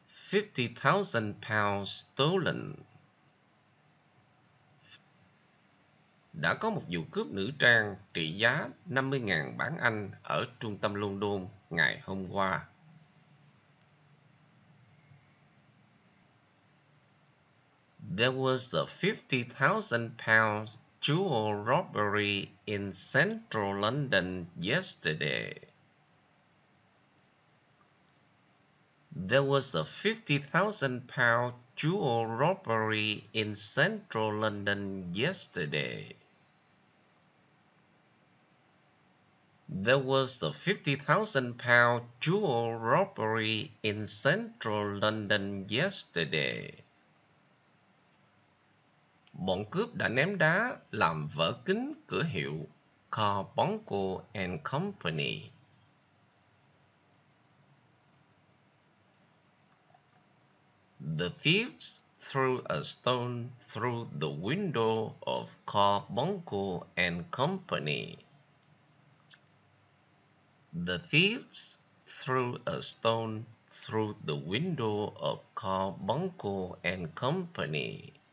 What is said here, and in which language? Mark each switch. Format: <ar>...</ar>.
<en>£50,000 stolen.</en> <vi>Đã có một vụ cướp nữ trang trị giá 50.000 bản Anh ở trung tâm London ngày hôm qua.</vi> <en>There was a £50,000 jewel robbery in central London yesterday. There was a £50,000 jewel robbery in central London yesterday. There was a £50,000 jewel robbery in central London yesterday.</en> <vi>Bọn cướp đã ném đá làm vỡ kính cửa hiệu Carbuncle and Company.</vi> <en>The thieves threw a stone through the window of Carbuncle and Company. The thieves threw a stone through the window of Carbuncle and Company.</en>